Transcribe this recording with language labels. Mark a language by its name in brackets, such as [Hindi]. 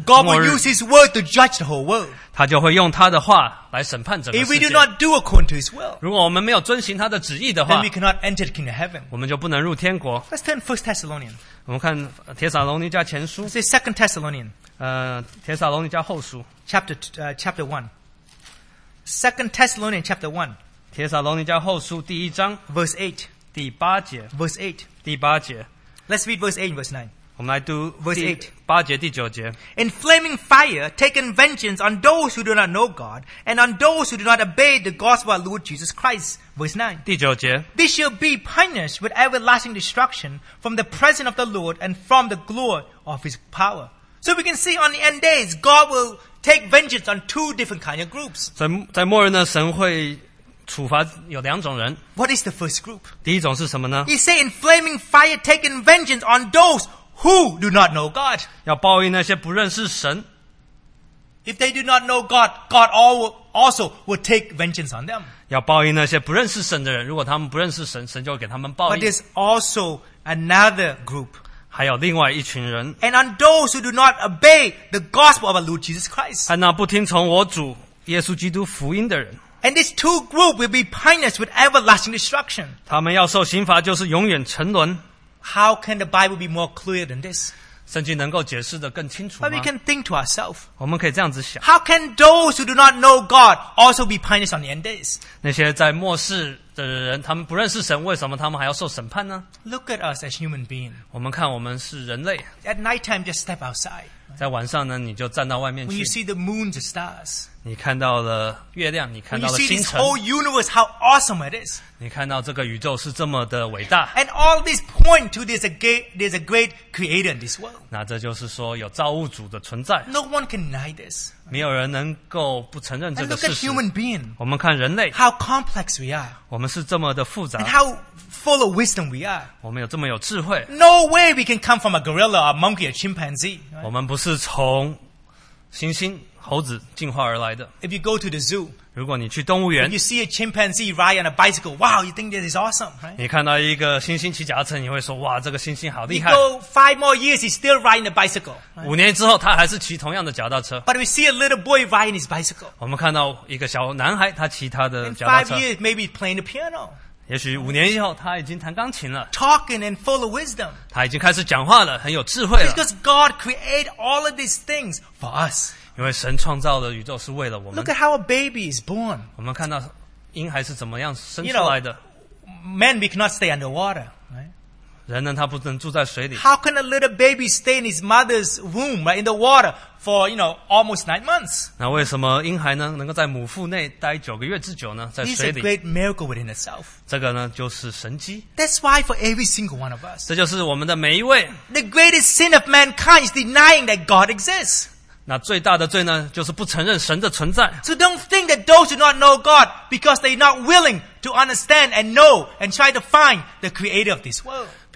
[English] God will use His word to judge the whole world. [Chinese] 他就会用他的话来审判整个世界。 [English] If we do not do according to His will, [Chinese] 如果我们没有遵循他的旨意的话, [English] then we cannot enter the kingdom of heaven. [Chinese] 我们就不能入天国。 [English] Let's turn to 1 Thessalonians. [Chinese] 我们看帖撒罗尼迦前书。 [English] Say 2 Thessalonians. [Chinese] 帖撒罗尼迦后书。 [English] Chapter 1. 2 Thessalonians chapter 1. [Chinese] 帖撒罗尼迦后书第一章。 [English] Verse 8. [Chinese] 第八节。 [English] Verse 8. [Chinese] 第八节。 [English] Let's read verse 8 and verse 9. [Chinese] 我们来读 [English] verse 8. [Chinese] 八节第九节, [English] In flaming fire, taken vengeance on those who do not know God and on those who do not obey the gospel of Lord Jesus Christ. Verse 9. [Chinese] 第九节, [English] This shall be punished with everlasting destruction from the presence of the Lord and from the glory of his power. So we can see on the end days, God will take vengeance on two different kinds of groups. [Chinese] 在末日呢, 处罚有两种人。 [English] What is the first group? [Chinese] 第一种是什么呢? [English] He said in flaming fire taking vengeance on those who do not know God. [Chinese] 要报应那些不认识神。 [English] If they do not know God, God also will take vengeance on them. [Chinese] 要报应那些不认识神的人。如果他们不认识神, 神就会给他们报应。 [English] But there's also another group. [Chinese] 还有另外一群人。 [English] And on those who do not obey the gospel of our Lord Jesus Christ. [Chinese] 还那不听从我主耶稣基督福音的人。 [English] And these two groups will be punished with everlasting destruction. [Chinese] 他们要受刑罚就是永远沉沦。 [English] How can the Bible be more clear than this? [Chinese] 圣经能够解释得更清楚吗? [English] But we can think to ourselves. [Chinese] 我们可以这样子想。 [English] How can those who do not know God also be punished on the end days? [Chinese] 那些在末世的人, 他们不认识神, 为什么他们还要受审判呢? [English] Look at us as human beings. [Chinese] 我们看我们是人类。 [English] At night time, just step outside. [Chinese] 在晚上呢, 你就站到外面去。 [English] When you see the moons and stars, [Chinese] 你看到了月亮, 你看到了星辰, [English] you see this whole universe, how awesome it is. [Chinese] 你看到这个宇宙是这么的伟大。 [English] And all these point to there's a great creator in this world. [Chinese] 那这就是说有造物主的存在。 [English] No one can deny this. [Chinese] 没有人能够不承认这个事实。 [English] And look at human being. [Chinese] 我们看人类。 [English] How complex we are. [Chinese] 我们是这么的复杂。 [English] And how full of wisdom we are. [Chinese] 我们有这么有智慧。 [English] No way we can come from a gorilla, a monkey, a chimpanzee. Right? [Chinese] 我们不是从猩猩。 [English] If you go to the zoo, [Chinese] 如果你去动物园, [English] if you see a chimpanzee ride on a bicycle, wow, you think that is awesome, right? [Chinese] 你看到一个猩猩骑脚踏车, 你会说, 哇, 这个猩猩好厉害。 [English] You go 5 more years, he's still riding a bicycle. Right? [Chinese] 5年之后, 他还是骑同样的脚踏车。 [English] But we see a little boy riding his bicycle. [Chinese] 我们看到一个小男孩, 他骑他的脚踏车。 [English] In 5 years, maybe he's playing the piano. [Chinese] 也许5年以后, 他已经弹钢琴了。 [English] Talking and full of wisdom. [Chinese] 他已经开始讲话了, 很有智慧了。 [English] Because God created all of these things for us. [Chinese] 因为神创造的宇宙是为了我们。 [English] Look at how a baby is born. [Chinese] 我们看到婴孩是怎么样生出来的。 [English] You know, men, we cannot stay underwater. Right? [Chinese] 人呢, [English] How can a little baby stay in his mother's womb, right, in the water for, you know, almost 9 months? [Chinese] 那为什么婴孩呢,能够在母腹内待9个月之久呢, 在水里? [English] This is a great miracle within itself. [Chinese] 这个呢,就是神迹。 [English] That's why for every single one of us, [Chinese] 这就是我们的每一位, [English] the greatest sin of mankind is denying that God exists. [Chinese] 那最大的罪呢,就是不承认神的存在。 [English] So don't think that those do not know God because they're not willing to understand and know and try to find the creator of this world.